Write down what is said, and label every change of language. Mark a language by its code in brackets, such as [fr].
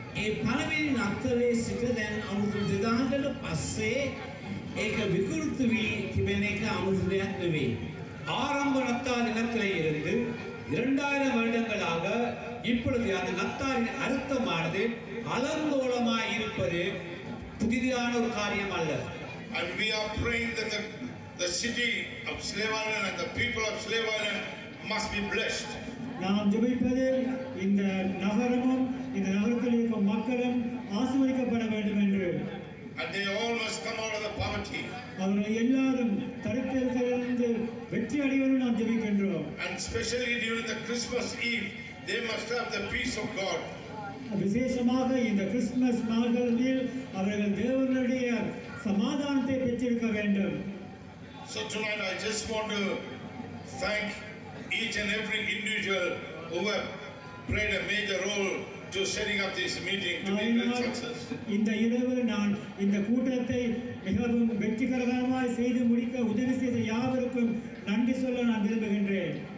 [ta] ஏ பறவை நத்தரே சிற்றதன் அமுது அமுதுவே. ஆரம்ப நத்தார் இனத்திலே இருந்து 2000 வருடங்களாக இப்பொழுது அந்த நத்தாரின் அர்த்தமானது அலங்கோலமாய் இருப்பது புதிதான ஒரு காரியம் அல்ல. [en] And we are praying that the city of Slevanen and the people of Slevanen must be blessed. [ta] நாம் ஜெபிப்பது இந்த நகரமும் இந்த நகரத்தில் இருக்கும் மக்களும் ஆசீர்வதிக்கப்பட வேண்டும் என்று. [en] And they all must come out of the poverty. [ta] அவர்கள் எல்லாரும் தடுத்திலிருந்து வெற்றி அடைவதும் நாம் ஜெபிக்கின்றோம். [en] And especially during the Christmas Eve, they must have the peace of God. [ta] விசேஷமாக இந்த கிறிஸ்துமஸ் நாள்களில் அவர்கள் தேவனுடைய சமாதானத்தை பெற்றிருக்க வேண்டும். [en] So tonight I just want to thank each and every individual who have played a major role to setting up this meeting to be a success. [ta] இந்த இரவு நான் இந்த கூட்டத்தை மிகவும் வெற்றிகரமாக செய்து முடிக்க உதவி செய்த யாவருக்கும் நன்றி சொல்ல நான் விரும்புகின்றேன்.